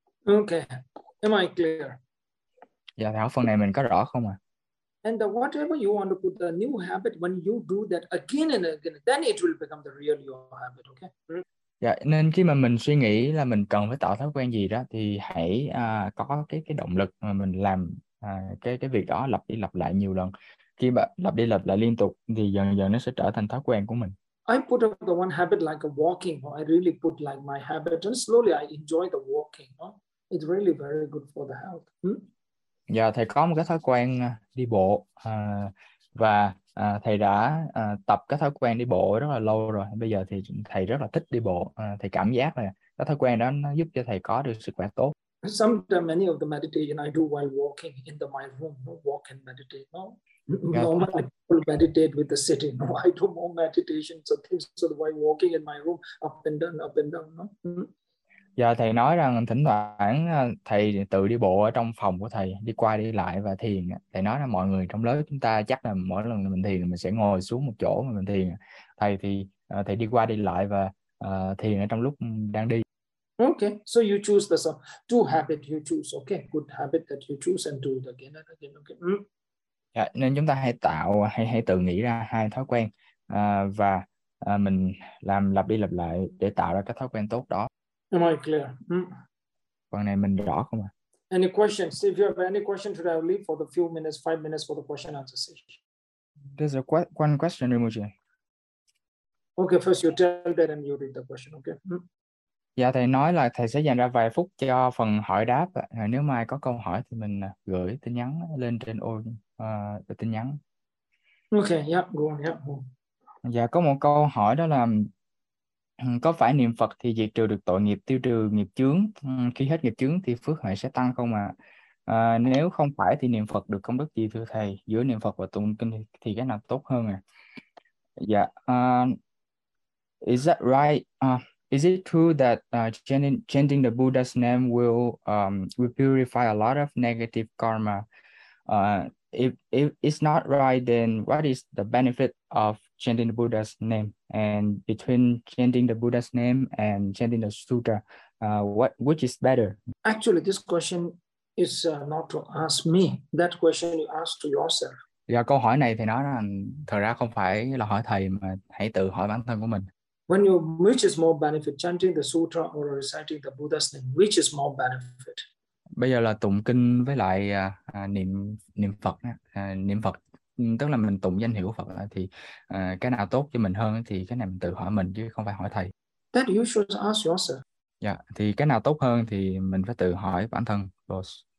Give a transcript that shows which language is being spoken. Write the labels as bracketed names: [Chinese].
[English] Okay, am I clear? [Vietnamese] Dạ, thảo phần này mình có rõ không ạ? [English] And the whatever you want to put the new habit, when you do that again and again, then it will become the real your habit, okay? [Vietnamese] Dạ, nên khi mà mình suy nghĩ là mình cần phải tạo thói quen gì đó thì hãy có cái động lực mà mình làm cái việc đó lặp đi lặp lại nhiều lần. Khi bạn lặp đi lặp lại liên tục thì dần dần nó sẽ trở thành thói quen của mình. [English] I put up the one habit like a walking. Or I really put like my habit and slowly I enjoy the walking. Or it's really very good for the health. [Vietnamese] Dạ, thầy có một cái thói quen đi bộ và thầy đã tập cái thói quen đi bộ rất là lâu rồi. Bây giờ thì thầy rất là thích đi bộ. Thầy cảm giác là cái thói quen đó nó giúp cho thầy có được sức khỏe tốt. [English] Sometimes many of the meditation I do while walking in the my room, walk and meditate. No? Normally, I meditate with the sitting. No, I do more meditation, so things so why walking in my room up and down, no. [Vietnamese] Dạ, thầy nói rằng thỉnh thoảng thầy tự đi bộ ở trong phòng của thầy, đi qua đi lại và thiền. Thầy nói là mọi người trong lớp chúng ta chắc là mỗi lần mình thiền mình sẽ ngồi xuống một chỗ mà mình thiền. Thầy thì thầy đi qua đi lại và thiền ở trong lúc đang đi. [English] Okay, so you choose the two habit you choose. Okay, good habit that you choose and do it again and again. Okay. Mm. [Vietnamese] Yeah, nên chúng ta hãy tạo hay hãy tự nghĩ ra hai thói quen và mình làm lặp đi lặp lại để tạo ra cái thói quen tốt đó. [English] Am I clear? Mm. [Vietnamese] Phần này mình rõ không ạ? [English] Any questions? If you have any questions, should I leave for the few minutes, 5 minutes for the question answer session? There's one question, Rimuji. Okay, first you tell that and you read the question, okay? Mm. [Vietnamese] Dạ, thầy nói là thầy sẽ dành ra vài phút cho phần hỏi đáp. Nếu mai có câu hỏi thì mình gửi tin nhắn lên trên ô tin nhắn. [English] Okay, yeah, go on, yeah. [Vietnamese] Dạ, có một câu hỏi đó là có phải niệm Phật thì diệt trừ được tội nghiệp, tiêu trừ nghiệp chướng, khi hết nghiệp chướng thì phước huệ sẽ tăng không ạ? Nếu không phải thì niệm Phật được công đức gì thưa thầy? Giữa niệm Phật và tụng kinh thì cái nào tốt hơn ạ? [English] Dạ, is that right? Is it true that chanting the Buddha's name will purify a lot of negative karma? If it's not right, then what is the benefit of chanting the Buddha's name? And between chanting the Buddha's name and chanting the sutra, which is better? Actually, this question is not to ask me. That question you ask to yourself. [Vietnamese] Yeah, câu hỏi này thì nói là thật ra không phải là hỏi thầy mà hãy tự hỏi bản thân của mình. [English] When you, which is more benefit, chanting the sutra or reciting the Buddha's name, which is more benefit? [Vietnamese] Bây giờ là tụng kinh với lại niệm Phật, niệm Phật, tức là mình tụng danh hiệu Phật thì cái nào tốt cho mình hơn thì cái này mình tự hỏi mình chứ không phải hỏi thầy. [English] That you should ask yourself. [Vietnamese] Yeah, thì cái nào tốt hơn thì mình phải tự hỏi bản thân, boss.